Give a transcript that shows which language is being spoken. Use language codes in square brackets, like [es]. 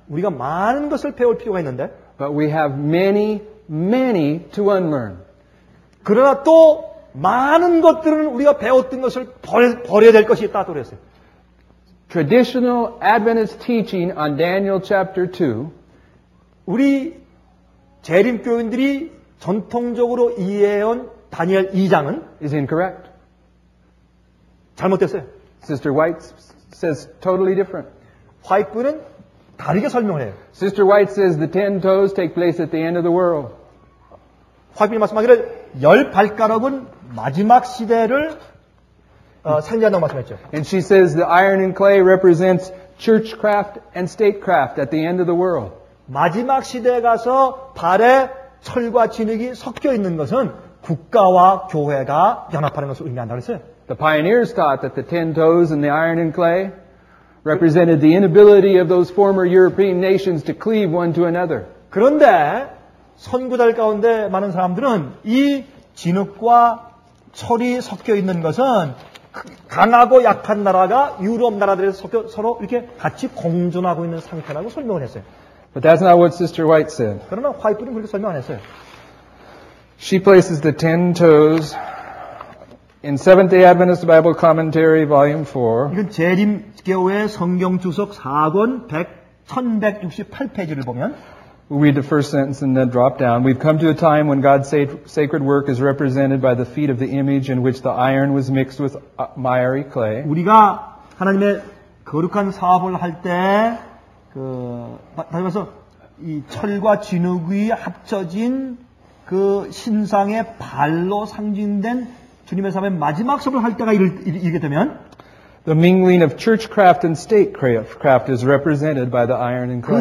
[ko] 우리가 많은 것을 배울 필요가 있는데. [en] But we have many, many to unlearn. [ko] 그러나 또 많은 것들은 우리가 배웠던 것을 버려야 될 것이 있다고 그랬어요. [en] Traditional Adventist teaching on Daniel chapter 2. [ko] 우리 재림 교인들이 전통적으로 이해해온 다니엘 2장은 [en] is incorrect. [ko] 잘못됐어요. [en] Sister White says totally different. [ko] 화이프는 다르게 설명해요. [en] Sister White says the ten toes take place at the end of the world. [ko] 화이프는 말씀하기를 열 발가락은 마지막 시대를 상징한다고 말씀했죠. [en] And she says the iron and clay represents churchcraft and statecraft at the end of the world. [ko] 마지막 시대에 가서 발에 철과 진흙이 섞여 있는 것은 국가와 교회가 연합하는 것을 의미한다 그랬어요. [en] The pioneers thought that the ten toes and the iron and clay represented the inability of those former European nations to cleave one to another. [ko] 그런데 선구자들 가운데 많은 사람들은 이 진흙과 철이 섞여 있는 것은 강하고 약한 나라가 유럽 나라들에서 섞여 서로 이렇게 같이 공존하고 있는 상태라고 설명을 했어요. [en] But that's not what Sister White said. [ko] 그러나 화이트는 그렇게 설명 안 했어요. [en] She places the ten toes in Seventh-day Adventist Bible Commentary, Volume 4. [ko] 이건 재림교회 성경주석 4권 1168페이지를 보면 [en] read the first sentence and then drop down. We've come to a time when God's sacred work is represented by the feet of the image in which the iron was mixed with miry clay. [ko] 우리가 하나님의 거룩한 사업을 할 때 그 다시 말해서 이 철과 진흙이 합쳐진 그 신상의 발로 상징된 주님의 삶의 마지막 수업을 할 때가 이르게 되면 [en] The mingling of churchcraft and statecraft is represented by the iron and clay.